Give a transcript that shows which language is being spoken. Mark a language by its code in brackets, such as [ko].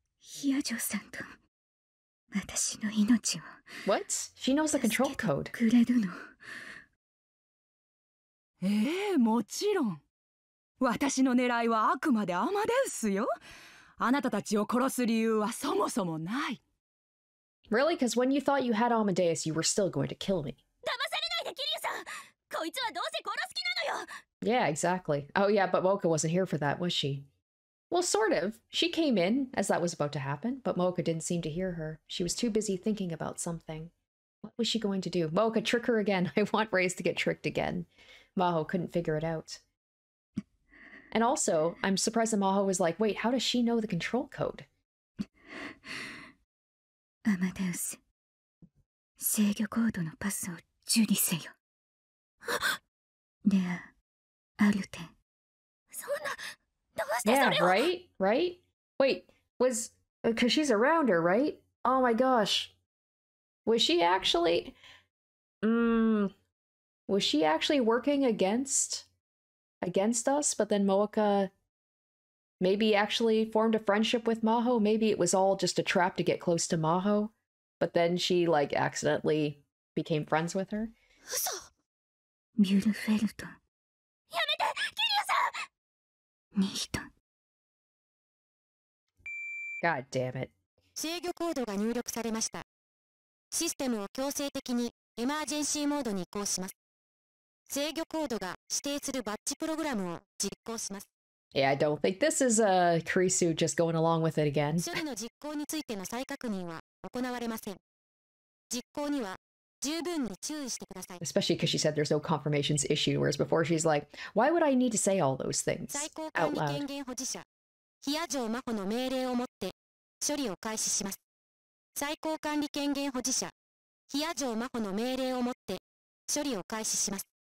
[ja] ヒヤジョさんと私の命を… [en] What? She knows the control code. [ja] 助けてくれるの? もちろん。私の狙いはあくまでアマデウスよ。あなたたちを殺す理由はそもそもない。 [en] Really? Because when you thought you had Amadeus, you were still going to kill me. Don't be fooled, Kirisu-san! This guy is going to kill me! Yeah, exactly. Oh yeah, but Mocha wasn't here for that, was she? Well, sort of. She came in, as that was about to happen, but Mocha didn't seem to hear her. She was too busy thinking about something. What was she going to do? Mocha, trick her again. I want Reyes to get tricked again. Maho couldn't figure it out. And also, I'm surprised that Maho was like, wait, how does she know the control code? [ja] アマデウス、制御コードのパスを受理せよ。では、アルテ。そんな、どうしてそれを? [en] Yeah, right? Right? Wait, was... Because she's around her, right? Oh my gosh. Was she actually... Was she actually working against us, but then Mocha... Maybe actually formed a friendship with Maho? Maybe it was all just a trap to get close to Maho? But then she, like, accidentally became friends with her? [ja] Uso! Mjurfelto. Yamete! Kirisu! Nihito. [en] God damn it. [ja] 制御コードが入力されました。システムを強制的にエマージェンシーモードに移行します。制御コードが指定するバッチプログラムを実行します。 [en] Yeah, I don't think this is Kirisu just going along with it again. [ja] 処理の実行についての再確認は行われません。実行には十分に注意してください。 [en] Especially because she said there's no confirmations issued, whereas before she's like, why would I need to say all those things out loud? [ja] 最高管理権限保持者、ヒヤジョー真帆の命令をもって処理を開始します。最高管理権限保持者、ヒヤジョー真帆の命令をもって処理を開始します。